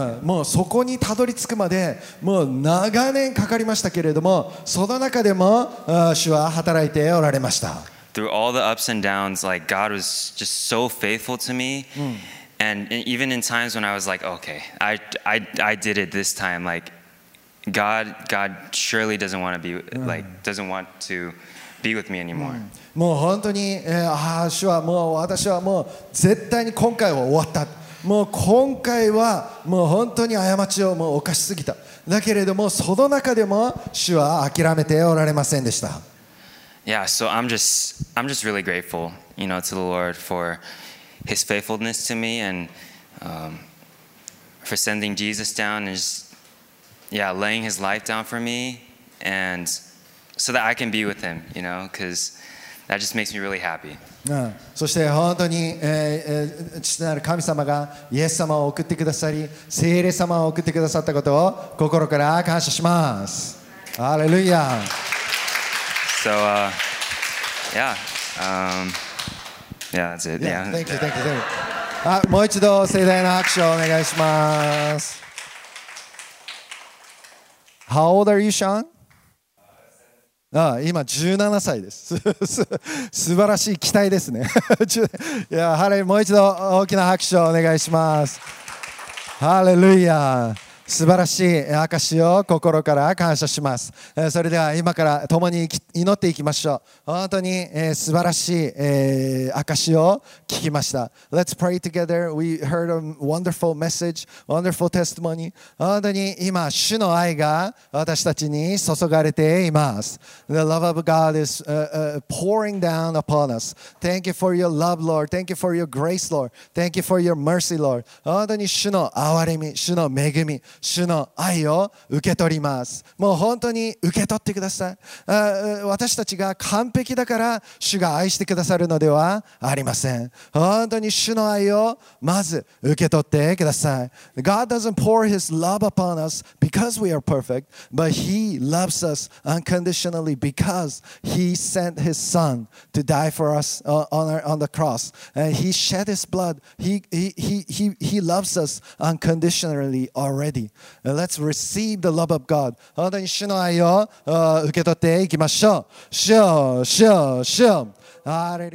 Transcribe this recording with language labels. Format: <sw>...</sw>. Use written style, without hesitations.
<ja>もうそこにたどり着くまでもう長年かかりましたけれども、その中でも主は働いておられました。</ja> <en>Through all the ups and downs, like God was just so faithful to me. And even in times when I was like, okay, I did it this time. Like God surely doesn't want to be with me anymore.</en> <ja>もう本当に、主はもう私はもう絶対に今回は終わった、もう今回はもう本当に過ちをもう犯しすぎた、だけれどもその中でも主は諦めておられませんでした。</ja> <en>Yeah, so I'm just really grateful, you know, to the Lord for his faithfulness to me and for sending Jesus down and just, yeah, laying his life down for me and so that I can be with him, you know, becauseThat just makes me really happy.</en> <ja>そして本当に、父なる神様がイエス様を送ってくださり、聖霊様を送ってくださったことを心から感謝します。ハレルヤ。</ja> <en>So, yeah. Yeah, that's it. Yeah. Thank you.</en> <ja>もう一度盛大な拍手をお願いします。</ja> <en>How old are you, Sean?</en> <ja>今17歳です。素晴らしい期待ですね。いや、ハレルヤ、もう一度大きな拍手をお願いします。ハレルヤ、素晴らしい証を心から感謝します。それでは今から共に祈っていきましょう。本当に素晴らしい証を聞きました。</ja> <en>Let's pray together. We heard a wonderful message, wonderful testimony.</en> <ja>本当に今、主の愛が私たちに注がれています。</ja> <en>The love of God is pouring down upon us. Thank you for your love, Lord. Thank you for your grace, Lord. Thank you for your mercy, Lord.</en> <ja>本当に主の憐れみ、主の恵み、主の愛を受け取ります。もう本当に受け取ってください。私たちが完璧だから主が愛してくださるのではありません。本当に主の愛をまず受け取ってください。</ja> <en>God doesn't pour his love upon us because we are perfect, but he loves us unconditionally because he sent his son to die for us on the cross and he shed his blood. He loves us unconditionally alreadyLet's receive the love of God.</en> <ja>本当に主の愛を受け取っていきましょう。主よ、主よ、主よ。アレルヤ。</ja>